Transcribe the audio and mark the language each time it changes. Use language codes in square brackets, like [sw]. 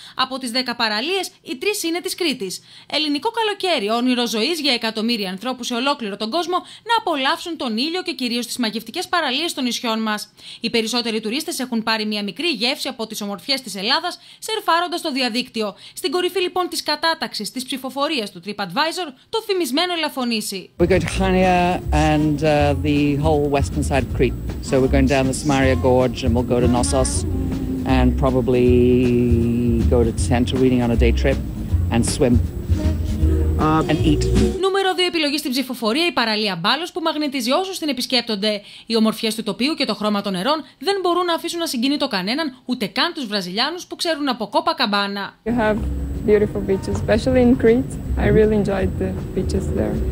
[el] Από τις 10 παραλίες, οι 3 είναι της Κρήτης. Ελληνικό καλοκαίρι, όνειρο ζωής για εκατομμύρια ανθρώπους σε ολόκληρο τον κόσμο να απολαύσουν τον ήλιο και κυρίως τις μαγευτικές παραλίες των νησιών μας. Οι περισσότεροι τουρίστες έχουν πάρει μια μικρή γεύση από τις ομορφιές της Ελλάδας, σερφάροντας το διαδίκτυο. Στην κορυφή λοιπόν της κατάταξης της ψηφοφορίας του TripAdvisor, το φημισμένο Ελαφωνήσι. [en] We're going to Chania and the whole western side of Crete. So we're going down the Samaria Gorge and we'll go to Knossos and probably go to Santorini on a day trip and swim. [el] Νούμερο 2 επιλογή στην ψηφοφορία, η παραλία Μπάλος που μαγνητίζει όσους την επισκέπτονται. Οι ομορφιές του τοπίου και το χρώμα των νερών δεν μπορούν να αφήσουν ασυγκίνητο κανέναν, ούτε καν τους Βραζιλιάνους που ξέρουν από Κόπα Καμπάνα. [en] You have beautiful beaches, especially in Crete. I really enjoyed the beaches there.